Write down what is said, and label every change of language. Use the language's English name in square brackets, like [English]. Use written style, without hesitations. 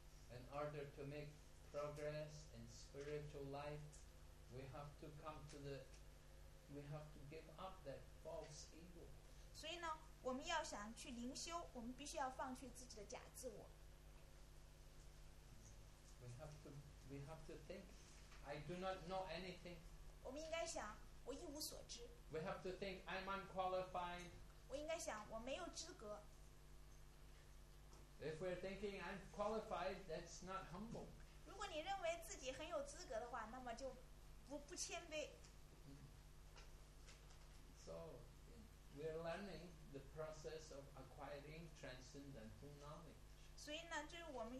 [English] In order to make progress in spiritual life, we have to give up that false ego. [Chinese] 所以呢，我们要想去灵修，我们必须要放弃自己的假自我。 [English] We have to think, I do not know anything. [Chinese] 我们应该想。我一无所知。 [English] We have to think I'm unqualified. [Chinese] 我应该想我没有资格。 [English] If we're thinking I'm qualified, that's not humble. [Chinese] 如果你认为自己很有资格的话，那么就不谦卑。 [English] So we're learning the process of acquiring transcendental knowledge.